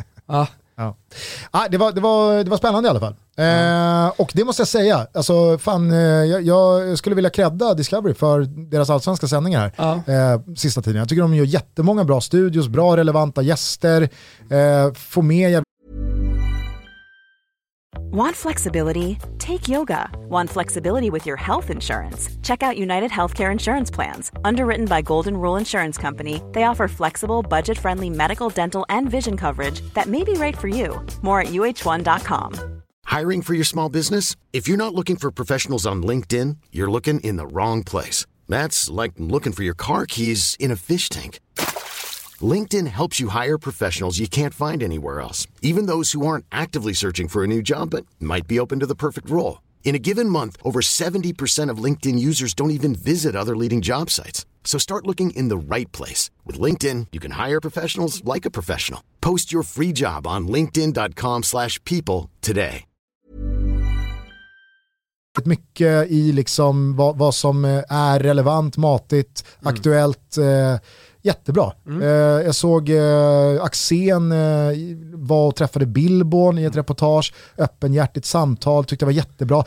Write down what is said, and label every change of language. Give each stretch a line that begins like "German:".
Swedish: Ja. Ah, det var spännande i alla fall. Och det måste jag säga, alltså, fan, jag skulle vilja credda Discovery för deras allsvenska sändningar här, sista tiden. Jag tycker de gör jättemånga bra studios, bra relevanta gäster, få med.
English: Want flexibility? Take yoga. Want flexibility with your health insurance? Check out United Healthcare Insurance Plans. Underwritten by Golden Rule Insurance Company, they offer flexible, budget-friendly medical, dental, and vision coverage that may be right for you. More at uh1.com. Hiring for your small business? If you're not looking for professionals on LinkedIn, you're looking in the wrong place. That's like looking for your car keys in a fish tank. LinkedIn helps you hire professionals you can't find anywhere else, even those who aren't actively searching for a new job but might be open to the perfect role. In a given month, over 70% of LinkedIn users don't even visit other leading job sites. So start looking in the right place. With LinkedIn, you can hire professionals like a professional. Post your free job on linkedin.com/people today.
Swedish: Mycket i liksom vad som är relevant, matigt, aktuellt. Jättebra. Jag såg Axén var och träffade Billborn i ett reportage. Öppenhjärtigt samtal, tyckte det var jättebra.